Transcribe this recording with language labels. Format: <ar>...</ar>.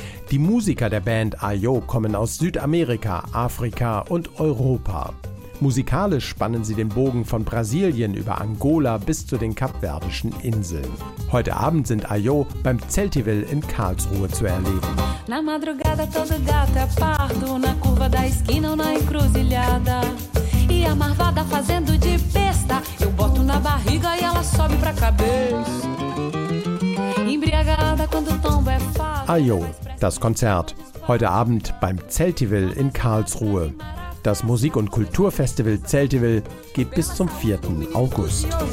<de>Die Musiker der Band Ayo kommen aus Südamerika, Afrika und Europa. Musikalisch spannen sie den Bogen von Brasilien über Angola bis zu den Kapverdischen Inseln. Heute Abend sind Ayo beim Celtivil in Karlsruhe zu erleben.</de> <pt>Na madrugada todo gato é pardo, na curva da esquina ou na encruzilhada. E a marvada fazendo de besta, eu boto na barriga e ela sobe pra cabeça. Embriagada quando tomba é fácil.</pt> <de>Ayo, das Konzert. Heute Abend beim Celtivil in Karlsruhe. Das Musik- und Kulturfestival Celtivil geht bis zum 4. August.</de>